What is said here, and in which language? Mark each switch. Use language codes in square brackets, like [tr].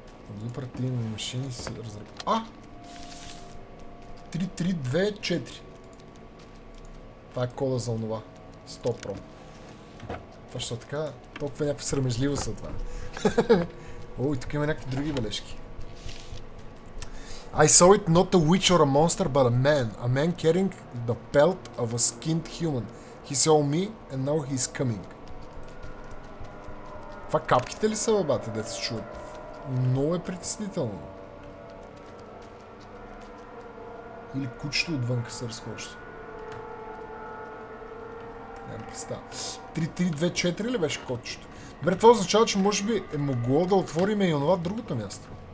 [bg] Блупратим, машини се разръпва. А! 3, 3, 2, 4. Това е кода за онова. 100 про. Това ще така, толкова е някаква срамежливост от това. О, и тук има някакви други бележки. [en] I saw it not a witch or a monster, but a man. A man carrying the pelt of a skinned human. He saw me, and now he is coming. [bg] Това капките ли са, бабата, да се чуят? Много е притеснително. Или кучето отвънка се разхожда. Нямам представа. 3-3-2-4 ли беше кодчето? Добре, това означава, че може би е могло да отвориме и онова другото място.